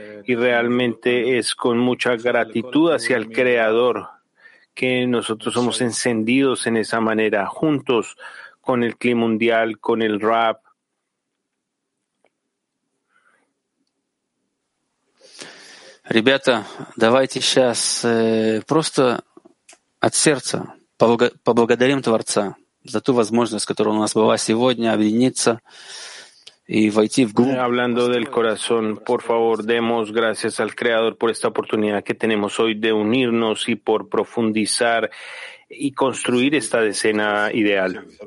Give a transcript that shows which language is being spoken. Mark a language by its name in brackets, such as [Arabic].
[Spanish] Y realmente es con mucha gratitud hacia el Creador que nosotros somos encendidos en esa manera, juntos con el clima mundial, con el Rab. [Russian] Ребята, давайте сейчас просто от сердца поблагодарим Творца за ту возможность, которая у нас была сегодня, объединиться и войти в группу. [Spanish] Hablando del corazón, por favor, demos gracias al Creador por esta oportunidad que tenemos hoy de unirnos y por profundizar y construir esta decena ideal.